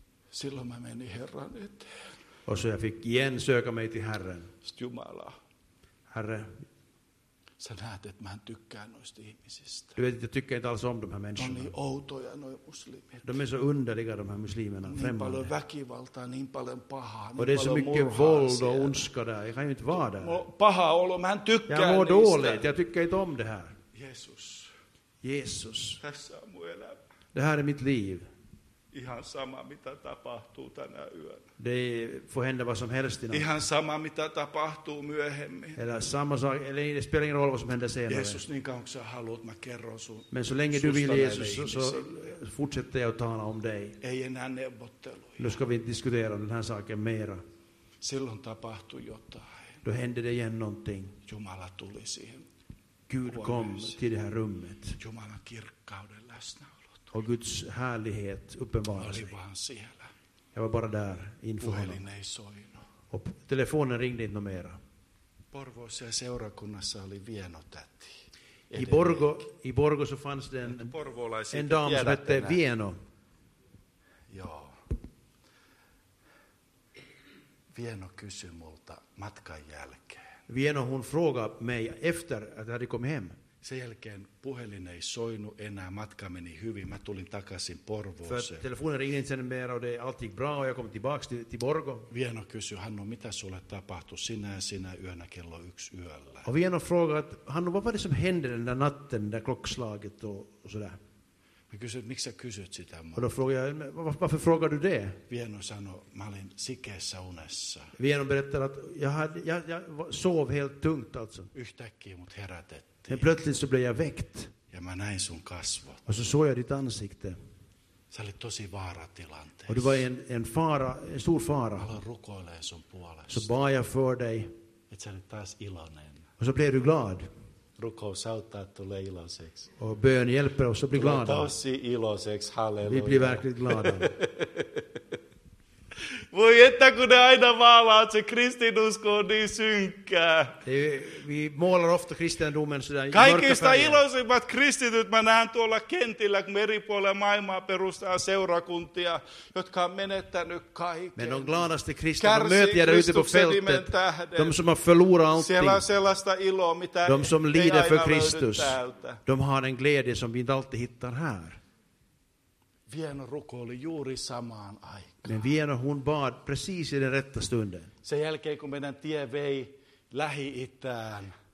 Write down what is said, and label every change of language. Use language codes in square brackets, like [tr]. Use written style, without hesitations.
[fi] Silloin mä menin Herran eteen. [sv] Och så jag fick igen söka mig till Herren. [fi] Jumala. [sv] Herre. [fi] Sä näet, että mä en tykkää noista ihmisistä. [sv] Du vet, jag tycker inte alls om de här människorna. De är [fi] outoja, noi muslimit. [sv] De är så underliga, de här muslimerna. Niin främmande. [fi] Paljon väkivaltaa, niin paljon pahaa. [sv] Och det är så mycket våld och ondska där. Jag kan ju inte vara där. [fi] Paha olo, mä en tykkää [sv] niistä. Jag mår dåligt, jag tycker inte om det här. [fi] Jesus. [sv] Jesus. [fi] Tässä on mun elämä. [sv] Det här är mitt liv. [fi] Ihan sama mitä tapahtuu tänä yönä. [sv] Det får hända vad som helst. [fi] Ihan sama mitä tapahtuu myöhemmin. [sv] Eller samma sak, eller det spelar ingen roll vad som händer senare. [fi] Jesus, niin kauan kun sä haluat, mä kerron sun. [sv] Men så länge du vill Jesus, så fortsätter jag att tala om dig. [fi] Ei enää neuvotteluja. [sv] Nu ska vi diskutera den här saken mera. [fi] Silloin tapahtui jotain. [sv] Då hände det igen någonting. [fi] Jumala tuli siihen. [sv] Gud kom till det här rummet. [fi] Jumalan kirkkauden läsnä. [sv] Och Guds härlighet uppenbarade sig. Jag var bara där inför honom. Och telefonen ringde inte mera. [fi] Porvoossa seurakunnassa oli vienotäti. [sv] I Borgo så fanns det en dam som hette Vieno. Ja. [fi] Vieno kysyi multa matkan jälkeen. [sv] Vieno, hon frågade mig efter att jag hade kommit hem. [fi] Sen jälkeen puhelin ei soinut enää, matka meni hyvin, mä tulin takaisin Porvooseen. [sv] För telefonen ringde inte sen mer och det allt gick bra och jag kom tillbaka till Borgo. [fi] Vieno kysyi, Hannu, mitä sulle tapahtui sinä yönä kello 1 yöllä? [sv] Och Vieno frågade, Hannu, vad var det som hände den där natten, där klockslaget och sådär? [fi] Mä kysyin, miksi sä kysyt sitä? [sv] Och då frågade jag, varför frågar du det? [fi] Vieno sanoi, mä olin sikeessä unessa. [sv] Vieno berättade att jag sov helt tungt alltså. [fi] Yhtäkkiä mut herätet. [sv] Men plötsligt så blev jag väckt. [fi] Ja mä näin sun kasvot. [sv] Och så såg jag ditt ansikte. [fi] Sä olit tosi vaaratilanteessa. [sv] Och du var en fara, en stor fara. [fi] Mä aloin rukoilee sun puolesta. [sv] Så bad jag för dig. [fi] Et sä olit taas iloinen. [sv] Och så blev du glad. [fi] Rukous auttaa, että tulee iloiseksi. [sv] Och bön hjälper oss att bli glada. [fi] Tulee tosi iloiseksi, halleluja. [sv] Vi blir verkligen glada. [fi] Voi että kun ne aina maalaat, se kristinusko on niin synkkää. [sv] Vi målar ofta kristendomen sådär. [fi] Kaikista iloisimmat kristityt mä näen tuolla kentillä, kun eri puolella maailmaa perustaa seurakuntia, jotka on menettänyt kaiken. [sv] Men de gladaste kristna, de möter jag ute på fältet. De som har förlorat allting. [fi] Siellä on sellaista iloa, mitä [sv] de som lider för Kristus, de har en glädje som vi inte alltid hittar här. [fi] Vieno rukoili juuri samaan aikaan. [sv] Men Vieno hon bad precis i den rätta stunden. [fi] Sen jälkeen kun meidän tie vei Lähi-itään.